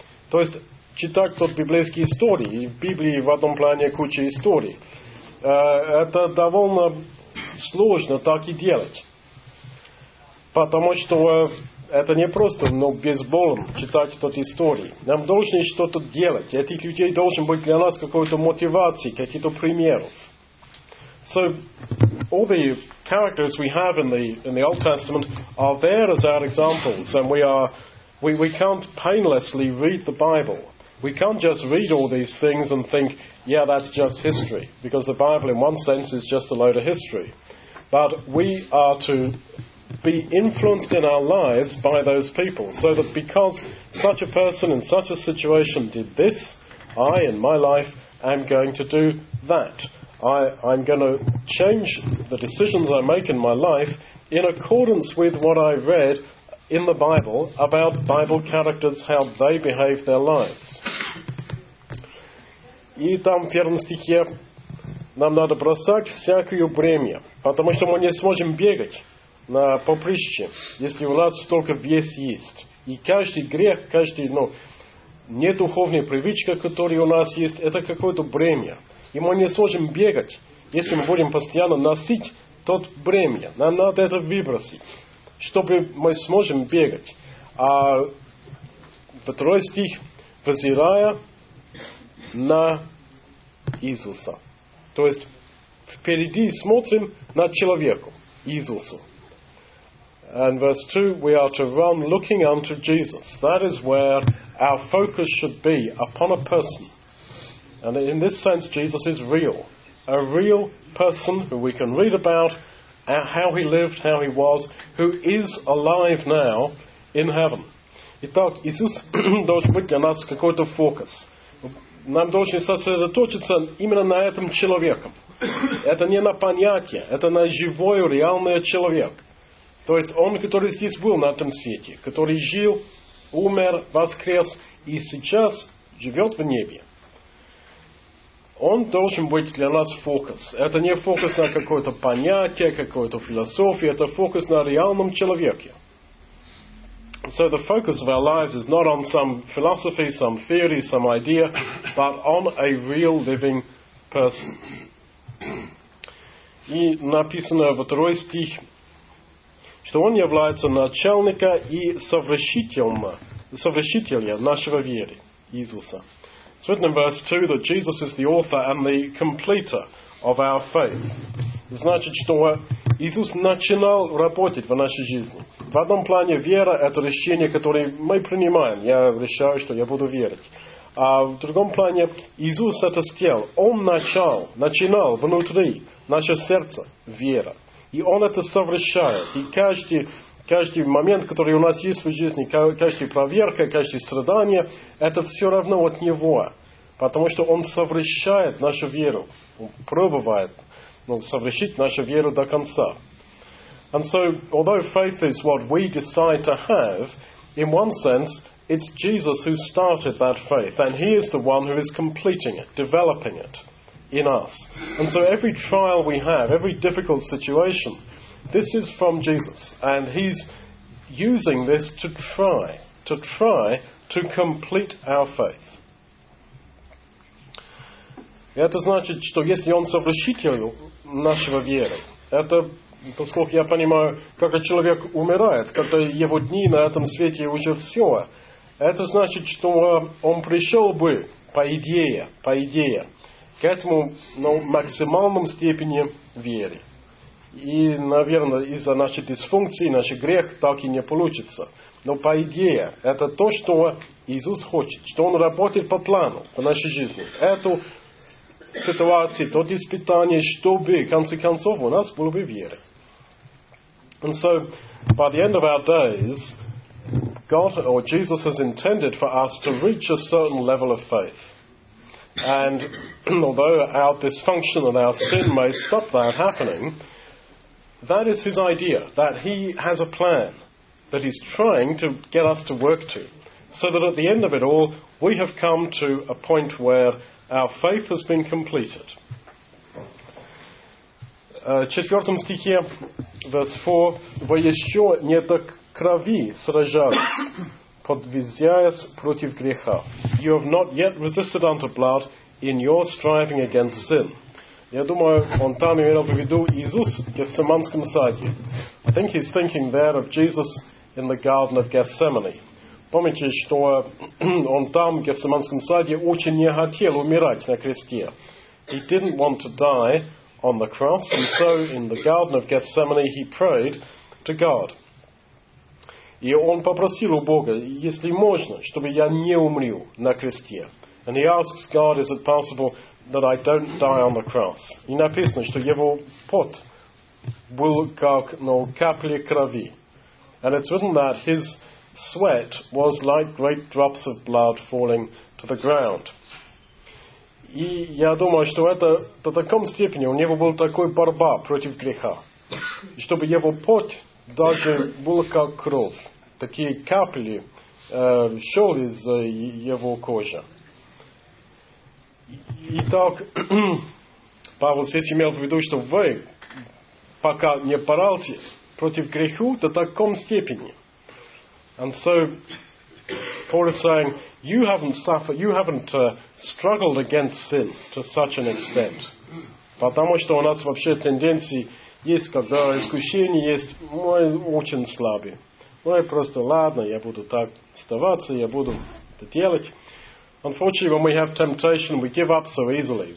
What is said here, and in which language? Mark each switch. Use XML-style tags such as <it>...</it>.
<ru>То есть, читать тот библейский истории, и в Библии в одном плане куча историй, это довольно сложно так и делать. Потому что это не просто, но безболом читать тот истории. Нам должны что-то делать. Этих людей должен быть для нас какой-то мотивации, какие-то примеры.</ru> <en>So, all the characters we have in the Old Testament are there as our examples, and we can't painlessly read the Bible. We can't just read all these things and think, yeah, that's just history, because the Bible, in one sense, is just a load of history. But we are to be influenced in our lives by those people, so that because such a person in such a situation did this, I, in my life, am going to do that. I'm going to change the decisions I make in my life in accordance with what I read in the Bible about Bible characters, how they behave their lives.</en> <ru>И там в первом стихе нам надо бросать всякое бремя, потому что мы не сможем бегать на поприще, если у нас столько вес есть. И каждый грех, каждая недуховная привычка, которая у нас есть, это какое-то бремя. И мы не сможем бегать, если мы будем постоянно носить тот бремя. Нам надо это выбросить, чтобы мы сможем бегать. А второй стих, взирая на Иисуса. То есть впереди смотрим на человека, Иисуса.</ru> <en>And verse 2, we are to run looking unto Jesus. That is where our focus should be, upon a person. And in this sense, Jesus is real. A real person who we can read about, how he lived, how he was, who is alive now in heaven.</en> <ru>Итак, Иисус должен быть для нас какой-то фокус. Нам должен сосредоточиться именно на этом человеке. Это не на понятие, это на живой, реальный человек. То есть он, который здесь был на этом свете, который жил, умер, воскрес и сейчас живет в небе. Он должен быть для нас фокус. Это не фокус на какое-то понятие, какую-то философию, это фокус на реальном человеке.</ru> <en>So the focus of our lives is not on some philosophy, some theory, some idea, but on a real living person.</en> <ru>И написано во второй стих, что он является начальником и совершителем нашего веры, Иисуса.</ru> <en>It's written in verse 2 that Jesus is the author and the completer of our faith.</en> <ru>Значит, что Иисус начинал работать в нашей жизни. В одном плане вера – это решение, которое мы принимаем. Я решаю, что я буду верить. А в другом плане Иисус это сделал. Он начинал внутри наше сердце вера. И Он это совершает. И каждый момент, который у нас есть в жизни, каждая проверка, каждое страдание – это все равно от Него. Потому что Он совращает нашу веру. Он пробует совращить нашу веру до конца.</ru> <en>And so, although faith is what we decide to have, in one sense, it's Jesus who started that faith. And He is the one who is completing it, developing it in us. And so every trial we have, every difficult situation, this is from Jesus. And He's using this to try to complete our faith.</en> <ru>Это значит, что если Он совершитель нашего веры, это, поскольку я понимаю, как человек умирает, когда его дни на этом свете уже все, это значит, что Он пришел бы, по идее, к этому максимальном степени веры. И, наверное, из-за нашей дисфункции, наш грех так и не получится. Но по идее, это то, что Иисус хочет, что Он работает по плану в нашей жизни. Эту ситуации, то испытание, чтобы, в конце концов, у нас было бы вера.</ru> <en>And so, by the end of our days, God or Jesus has intended for us to reach a certain level of faith. And although our dysfunction and our sin may stop that happening, that is His idea, that He has a plan that He's trying to get us to work to. So that at the end of it all, we have come to a point where our faith has been completed.</en> <ru>Четвертом стихе,</ru> <en>verse 4,</en> <ru>вы еще не до крови сражались, подвизяясь против греха.</ru> <en>You have not yet resisted unto blood in your striving against sin.</en> <ru>Я думаю, он там имел в виду Иисус в Гефсиманском саде.</ru> <en>I think he's thinking there of Jesus in the Garden of Gethsemane.</en> <ru>Помните, что он там, в Гефсиманском саде, очень не хотел умирать на кресте.</ru> <en>He didn't want to die on the cross, and so in the Garden of Gethsemane he prayed to God.</en> <ru>И он попросил у Бога, если можно, чтобы я не умрю на кресте.</ru> <en>And he asks God, is it possible that I don't die on the cross?</en> <ru>И написано, что его пот был как капли крови.</ru> <en>And it's written that his sweat was like great drops of blood falling to the ground.</en> <ru>И я думаю, что это до таком степени у него была такая борьба против греха, чтобы его пот даже был как кровь. Такие капли шел из его кожи. Итак, Павел здесь имел в виду, что вы пока не боролись против греху до таком степени.</ru> <en>And so, Paul is saying, you haven't struggled against sin to such an extent.</en> <ru>Потому что у нас вообще тенденции есть, когда искушение есть, мы очень слабые. Мы просто, ладно, я буду так оставаться, я буду это делать.</ru> <en>Unfortunately, when we have temptation, we give up so easily.</en>